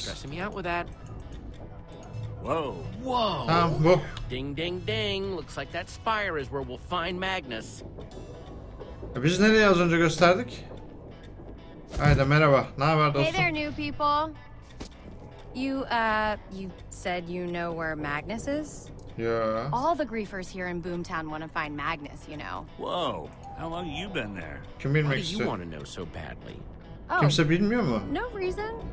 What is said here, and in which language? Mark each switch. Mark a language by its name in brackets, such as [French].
[English] Stressing me out with that. Whoa. Whoa. [Turkish] Tamam, bu. [English] Ding, ding, ding. Looks like that spire is where we'll find Magnus. [Turkish] Biz nereye az önce gösterdik? Haydi, merhaba. Ne haber dostum? [English] Hey there, new people. You said you know where Magnus is? Yeah. All the griefers here in Boomtown want to find Magnus, you know. Whoa, how long have you been there? Why do you want to know so badly? Oh, [Turkish] kimse bilmiyor mu? [English] No reason.